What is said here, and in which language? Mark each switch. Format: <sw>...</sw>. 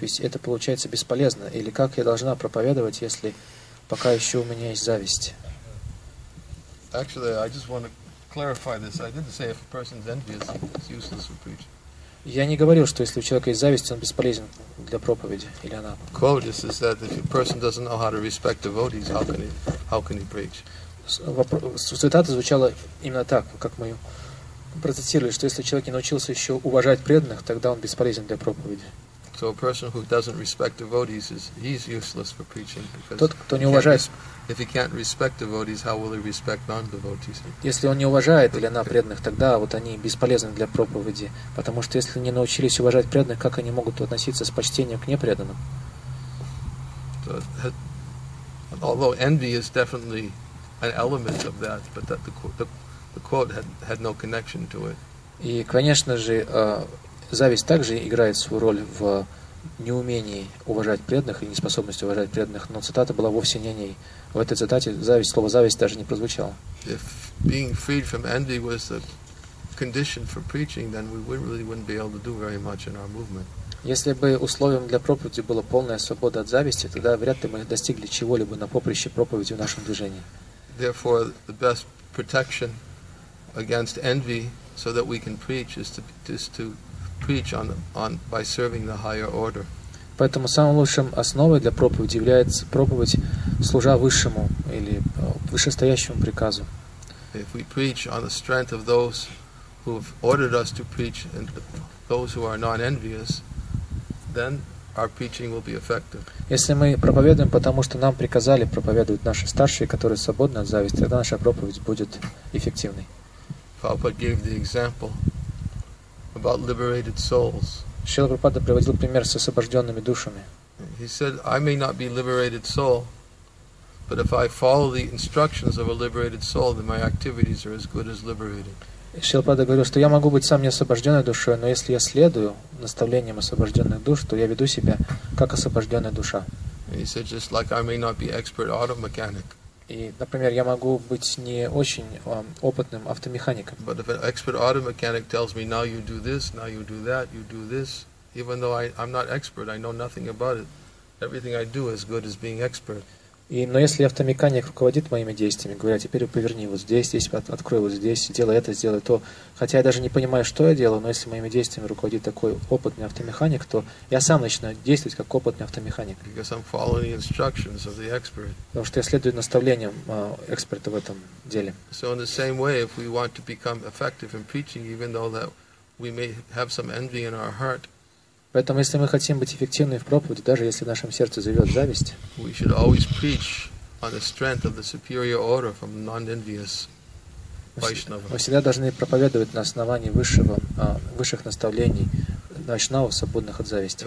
<ru>Ведь это получается бесполезно. Или как я должна проповедовать, если пока еще у меня есть зависть?</ru> <en>Actually, I just want to clarify this. I didn't say if a person's envious, it's useless for preaching.</en> <ru>Я не говорил, что если у человека есть зависть, он бесполезен для проповеди или она.</ru> <en>Quote is that if a person doesn't know how to respect devotees, how can he preach?</en> <ru>Цитата звучала именно так, как мы процитировали, что если человек не научился еще уважать преданных, тогда он бесполезен для проповеди.</ru> <en>So a person who doesn't respect devotees he's useless for preaching because</en> <ru>тот, кто не уважает.</ru> <en>If he can't respect devotees, how will he respect non-devotees?</en> <ru>Если он не уважает или она преданных, тогда вот они бесполезны для проповеди, потому что если не научились уважать преданных, как они могут относиться с почтением к непреданным?</ru> <en>although envy is definitely an element of that, but that the quote had no connection to it.</en> <ru>И, конечно же, зависть также играет свою роль в неумении уважать преданных и неспособности уважать преданных, но цитата была вовсе не о ней. В этой цитате зависть, слово «зависть» даже не прозвучало.</ru> <en>If being freed from envy was the condition for preaching, then we really wouldn't be able to do very much in our movement.</en> <ru>Если бы условием для проповеди была полная свобода от зависти, тогда вряд ли мы достигли чего-либо на поприще проповеди в нашем движении.</ru> <en>Therefore, the best protection against envy so that we can preach is to preach on by serving the higher order.</en> <ru>Поэтому самым лучшим основой для проповеди является проповедь, служа высшему или вышестоящему приказу.</ru> <en>If we preach on the strength of those who have ordered us to preach and those who are non-envious, then our preaching will be effective.</en> <ru>Если мы проповедуем, потому что нам приказали проповедовать наши старшие, которые свободны от зависти, тогда наша проповедь будет эффективной.</ru> <en>Prabhupada gave the example about liberated souls.</en> <ru>Шрила Прабхупада приводил пример с освобожденными душами.</ru> <en>He said, I may not be a liberated soul, but if I follow the instructions of a liberated soul, then my activities are as good as liberated.</en> <ru>Шрила Прабхупада говорил, что я могу быть сам не освобожденной душой, но если я следую наставлениям освобожденных душ, то я веду себя как освобожденная душа.</ru> <en>He said, just like I may not be expert auto mechanic.</en> <ru>И, например, я могу быть не очень опытным автомехаником.</ru> <en>But if an expert auto mechanic tells me, now you do this, now you do that, you do this, even though I'm not expert, I know nothing about it, everything I do is good as being expert.</en> <ru>И, но если автомеханик руководит моими действиями, говоря, теперь поверни вот здесь, здесь, открой вот здесь, сделай то, хотя я даже не понимаю, что я делаю, но если моими действиями руководит такой опытный автомеханик, то я сам начинаю действовать как опытный автомеханик.</ru> <en>Because I'm following the instructions of the expert.</en> <ru>Потому что я следую наставлениям эксперта в этом деле.</ru> <en>So in the same way, if we want to become effective in preaching, even though that we may have some envy in our heart,</en> <ru>поэтому, если мы хотим быть эффективными в проповеди, даже если в нашем сердце живет зависть, мы всегда должны проповедовать на основании высших наставлений вайшнавов, свободных от зависти.</ru>